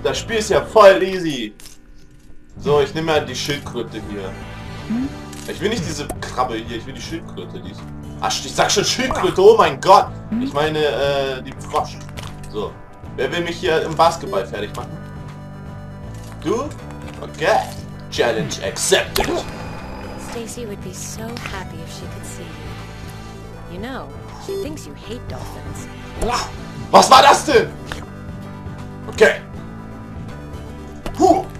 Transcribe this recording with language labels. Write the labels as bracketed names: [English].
[German] Das Spiel ist ja voll easy! So, ich nehme mal die Schildkröte hier. Ich will nicht diese Krabbe hier, ich will die Schildkröte. Ach, ich sag schon Schildkröte, oh mein Gott! Ich meine, die Frosch. So, wer will mich hier im Basketball fertig machen? [English] Du? Okay. Challenge accepted! Stacy would be so happy if she could see you. You know, she thinks you hate dolphins. [German] Was war das denn? Okay. Puh.